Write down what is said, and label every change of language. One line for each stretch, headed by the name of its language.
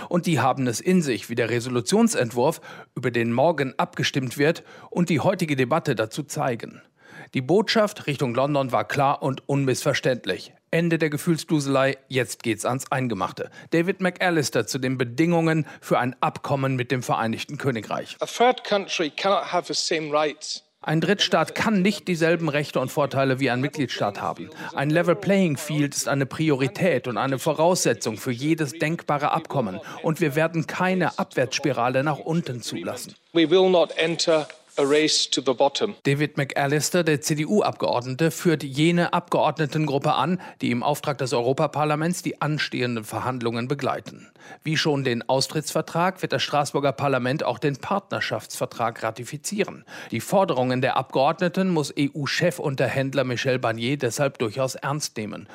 German: Und die haben es in sich, wie der Resolutionsentwurf, über den morgen abgestimmt wird, und die heutige Debatte dazu zeigen. Die Botschaft Richtung London war klar und unmissverständlich. Ende der Gefühlsduselei, jetzt geht's ans Eingemachte. David McAllister zu den Bedingungen für ein Abkommen mit dem Vereinigten Königreich.
English: A third country cannot have the same rights.
German: Ein Drittstaat kann nicht dieselben Rechte und Vorteile wie ein Mitgliedstaat haben. Ein Level Playing Field ist eine Priorität und eine Voraussetzung für jedes denkbare Abkommen. Und wir werden keine Abwärtsspirale nach unten zulassen.
English: We will not enter a race to the bottom.
German: David McAllister, der CDU-Abgeordnete, führt jene Abgeordnetengruppe an, die im Auftrag des Europaparlaments die anstehenden Verhandlungen begleiten. Wie schon den Austrittsvertrag wird das Straßburger Parlament auch den Partnerschaftsvertrag ratifizieren. Die Forderungen der Abgeordneten muss EU-Chefunterhändler Michel Barnier deshalb durchaus ernst nehmen.